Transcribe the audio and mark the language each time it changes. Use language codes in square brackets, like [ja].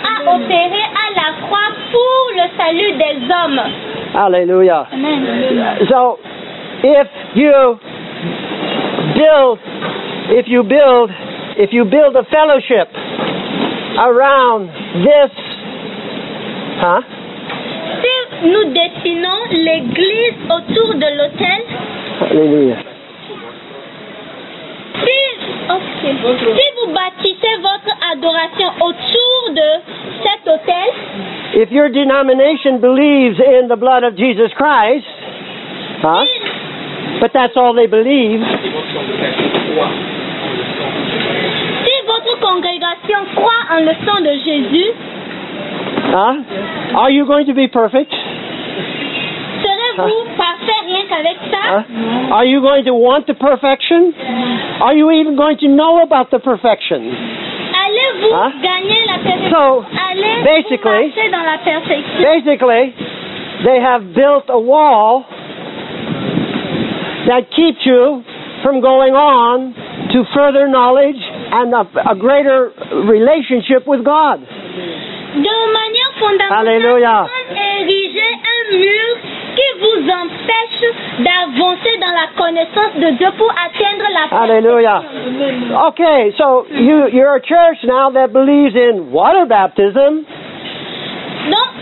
[fr] A opéré à la croix pour le salut des hommes. Alléluia. Amen. [en] So, if you build a fellowship around this [fr] Hein? Si nous dessinons l'église autour de l'autel. Alléluia. Si, okay. Si vous bâtissez votre adoration autour de cet autel. [en] If your denomination believes in the blood of Jesus Christ, huh? But that's all they believe. [fr] Si votre congrégation croit en le sang de Jésus, [en] huh? Are you going to be perfect? [fr] Serez-vous parfait rien qu'avec ça? [en] Huh? Are you going to want the perfection? Are you even going to know about the perfection? [fr] Allez-vous gagner la perfection? [en] So, basically, they have built a wall that keeps you from going on to further knowledge and a greater relationship with God. [fr] De manière fondamentale, ils ont érigé un mur qui vous empêche d'avancer dans la connaissance de Dieu pour atteindre la perfection. [en] Alléluia. Okay, so you're a church now that believes in water baptism. [fr] Donc,